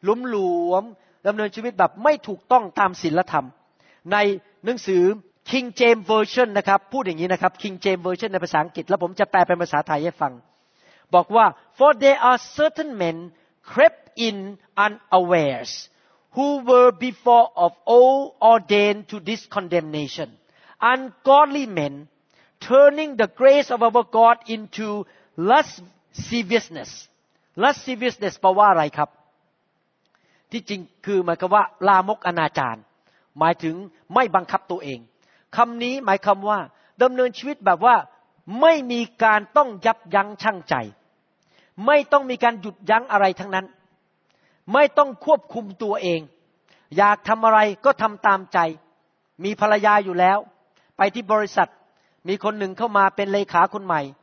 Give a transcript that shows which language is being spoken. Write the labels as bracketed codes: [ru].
[th] หลวมๆดำเนินชีวิตแบบไม่ถูกต้องตามศีลธรรมในหนังสือ King James Version นะครับพูดอย่างนี้นะครับ King James Version ในภาษาอังกฤษแล้วผมจะแปลเป็นภาษาไทยให้ฟังบอกว่า [en] For there are certain menCrept in unawares, who were before of old ordained to this condemnation. Ungodly men, turning the grace of our God into lasciviousness. [th] Lasciviousness แปลว่าอะไรครับที่จริงคือหมายความว่าลามกอนาจารหมายถึงไม่บังคับตัวเองคำนี้หมายความว่าดำเนินชีวิตแบบว่าไม่มีการต้องยับยั้งชั่งใจไม่ต้องมีการหยุดยั้งอะไรทั้งนั้นไม่ต้องควบคุมตัวเองอยากทำอะไรก็ทำตามใจมีภรรยาอยู่แล้วไปที่บริษัทมีคนหนึ่งเข้ามาเป็นเลขาคนใหม่